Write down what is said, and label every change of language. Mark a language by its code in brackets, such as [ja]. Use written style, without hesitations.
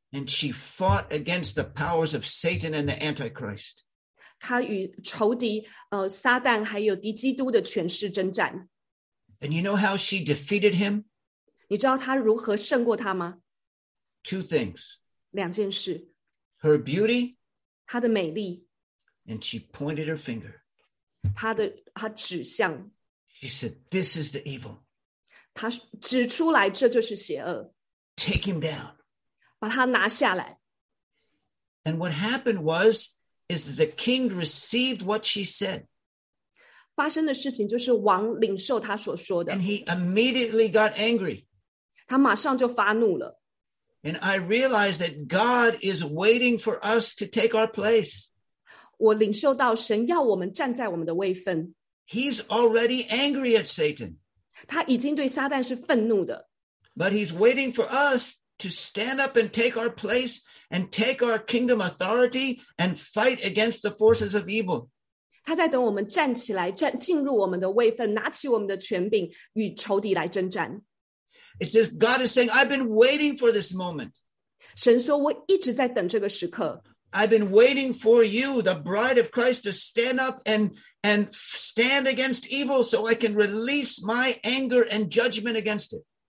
[en] And she fought against the powers of Satan and the Antichrist. [zh] 她与仇敌撒旦还有敌基督的权势征战。 [en] And you know how she defeated him? [zh] 你知道她如何胜过他吗？ [en] Two things. [zh] 两件事, [en] her beauty. [zh] 她的美丽, [en] and she pointed her finger. [zh] 她指向, [en] she said, this is the evil. [zh] 她指出来这就是邪恶, [en] take him down. [zh] 把他拿下来。 [en] And what happened was, is that the king received what she said. [zh] 发生的事情就是王领受他所说的, [en] and he immediately got angry. [zh] 他马上就发怒了。 [en] And I realized that God is waiting for us to take our place. [zh] 我领受到神要我们站在我们的位分。 [en] He's already angry at Satan. [zh] 他已经对撒旦是愤怒的。 [en] But he's waiting for us to stand up and take our place and take our kingdom authority and fight against the forces of evil. [zh] 他在等我们站起来,进入我们的位分,拿起我们的权柄,与仇敌来征战。 [en] It's as if God is saying, I've been waiting for this moment. [zh] 神说,我一直在等这个时刻。 [en] I've been waiting for you, the bride of Christ, to stand up and stand against evil so I can release my anger and judgment against it.